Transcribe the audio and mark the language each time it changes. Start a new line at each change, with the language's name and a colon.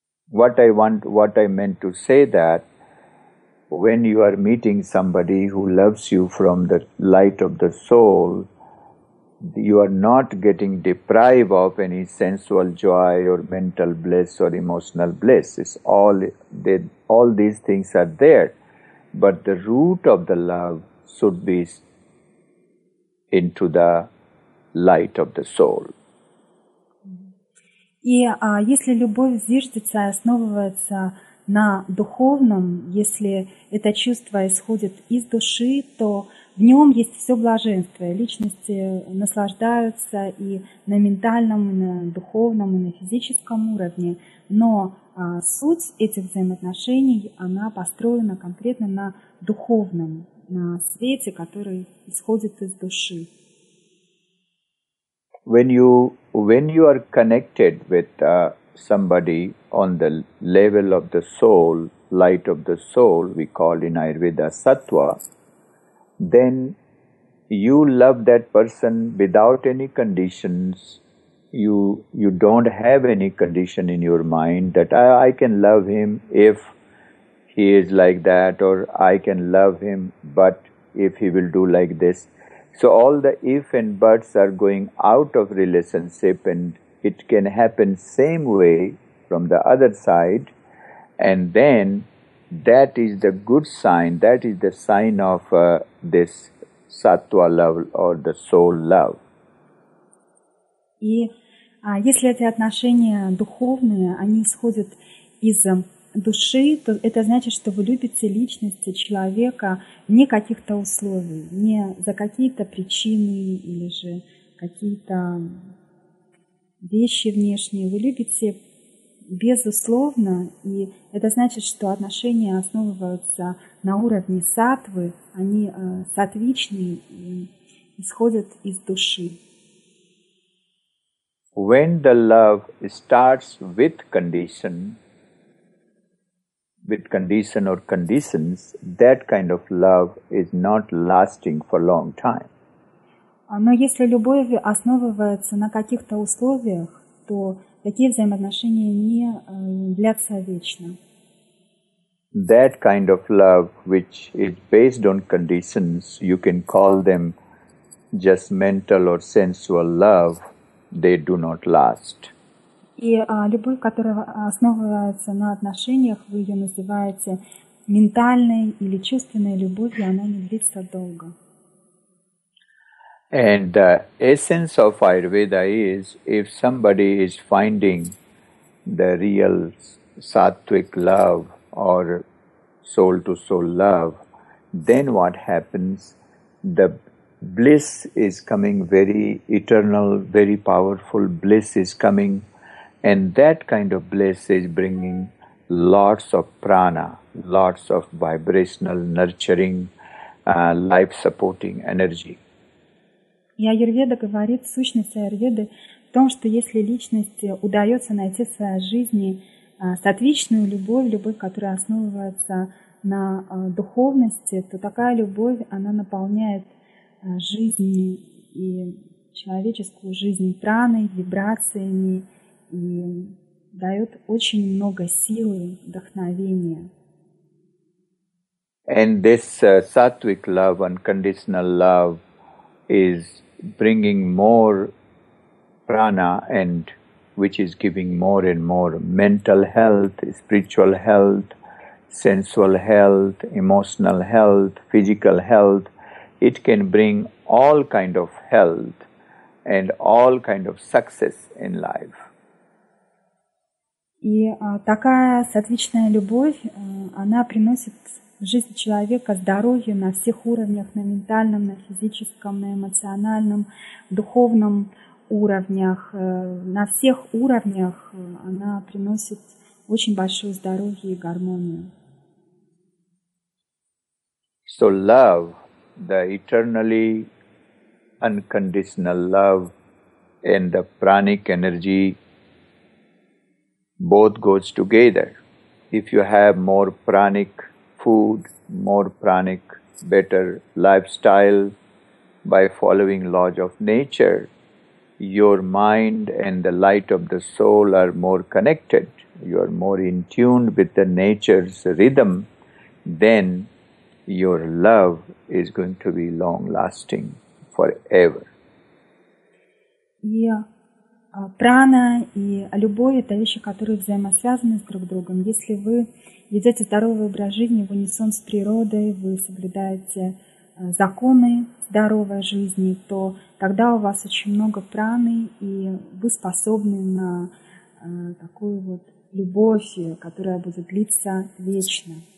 English: What I meant to say that when you are meeting somebody who loves you from the light of the soul, you are not getting deprived of any sensual joy or mental bliss or emotional bliss. It's all these things are there, but the root of the love should be into the light of the soul.
Russian: И если любовь зиждется и основывается на духовном, если это чувство исходит из души, то в нем есть все блаженство. Личности наслаждаются и на ментальном, и на духовном, и на физическом уровне. Но суть этих взаимоотношений, она построена конкретно на духовном, на свете, который исходит из души.
English: When you are connected with somebody on the level of the soul, light of the soul, we call in Ayurveda sattva, then you love that person without any conditions. You don't have any condition in your mind that I can love him if he is like that, or I can love him but if he will do like this. So all the if and buts are going out of relationship, and it can happen same way from the other side. And then that is the good sign, that is the sign of this sattva love or the soul love.
Russian: И если эти отношения духовные, они исходят из души, то это значит, что вы любите личности человека не каких-то условий, не за какие-то причины или же какие-то вещи внешние. Вы любите безусловно, и это значит, что отношения основываются на уровне сатвы, они сатвичны и исходят из души.
English: When the love starts with condition, with condition or conditions, that kind of love is not lasting for a long time.
Russian: Но если любовь основывается на каких-то условиях, то такие взаимоотношения не длятся вечно.
English: That kind of love, which is based on conditions, you can call them just mental or sensual love, they do not last.
Russian: И любовь, которая основывается на отношениях, вы ее называете ментальной или чувственной любовью, она не длится долго.
English: And the essence of Ayurveda is, if somebody is finding the real sattvic love or soul-to-soul love, then what happens? The bliss is coming, very eternal, very powerful bliss is coming. And that kind of bliss is bringing lots of prana, lots of vibrational, nurturing, life-supporting energy.
Russian: И Аюрведа говорит, сущность Аюрведы в том, что если личности удается найти в своей жизни сатвичную любовь, любовь, которая основывается на духовности, то такая любовь, она наполняет жизнь и человеческую жизнь праной, вибрациями, и дает очень много силы, вдохновения.
English: And this sattvic love, unconditional love, is bringing more prana, and which is giving more and more mental health, spiritual health, sensual health, emotional health, physical health. It can bring all kind of health and all kind of success in life.
Russian: И такая сатвичная любовь, она приносит в жизнь человека здоровье на всех уровнях, на ментальном, на физическом, на эмоциональном, духовном уровнях. На всех уровнях она приносит очень большое здоровье и гармонию.
English: So love, the eternally unconditional love and the pranic energy, both goes together. If you have more pranic food, more pranic, better lifestyle by following laws of nature, your mind and the light of the soul are more connected, you are more in tune with the nature's rhythm, then your love is going to be long-lasting forever. Yeah.
Russian: Прана и любовь – это вещи, которые взаимосвязаны с друг другом. Если вы ведете здоровый образ жизни в унисон с природой, вы соблюдаете законы здоровой жизни, то тогда у вас очень много праны, и вы способны на такую вот любовь, которая будет длиться вечно.